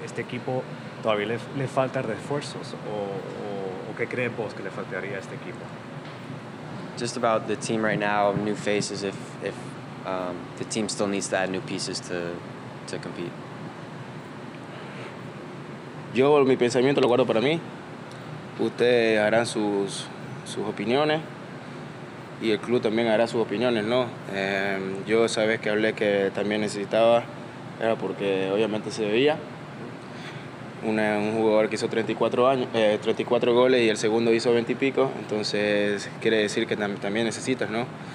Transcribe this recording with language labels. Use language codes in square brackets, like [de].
[es] ¿Este equipo todavía le falta refuerzos? ¿O qué crees vos que le faltaría a este equipo? [en] Just about the team right now, new faces, if the team still needs to add new pieces to compete. [es] Yo mi pensamiento lo guardo para mí. Ustedes harán sus opiniones y el club también hará sus opiniones, ¿no? Yo sabes que hablé que también necesitaba, era porque obviamente se veía. Un jugador que hizo 34 goles y el segundo hizo 20 y pico, entonces quiere decir que también necesitas, ¿no?